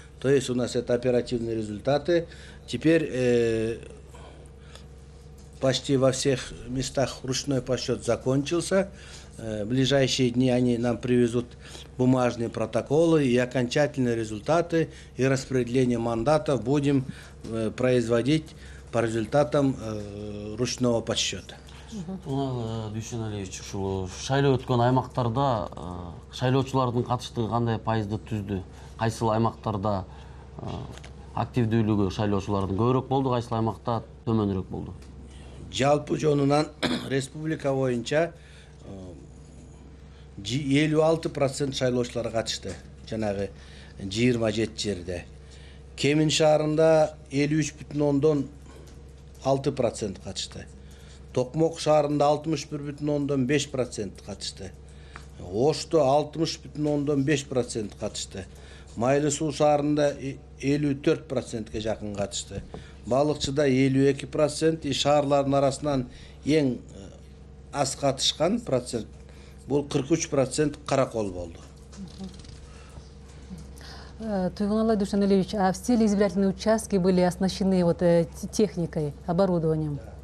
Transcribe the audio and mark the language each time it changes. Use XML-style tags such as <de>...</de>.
<ru>То есть у нас это оперативные результаты. Теперь почти во всех местах ручной подсчет закончился. В ближайшие дни они нам привезут бумажные протоколы, и окончательные результаты и распределение мандатов будем производить по результатам ручного подсчета.</ru> <ky>Дүйшен Алиевич, шайлоо өткөн аймактарда шайлоочулардын катыштыгы кандай пайызды түздү? Кайсыл аймактарда активдүүлүгү шайлоочулардын көбүрөөк болду, кайсыл аймакта төмөнүрөөк болду? Жалпы жонунан республика боюнча 56% шайлоочулар катышты жанагы 27 жерде. Кемин шаарында 53.6% катышты. Токмок шаарында 61.5% катышты. Ошто 60.5% катышты. Майлы суу шаарында 54%ге жакын катышты. Балыкчыда 52%, и шаарлардын арасынан эң аз катышкан процент бул 43% Каракол болду.</ky> <ru>Туйгун Алай Душанелевич, а все ли избирательные участки были оснащены вот техникой, оборудованием?</ru>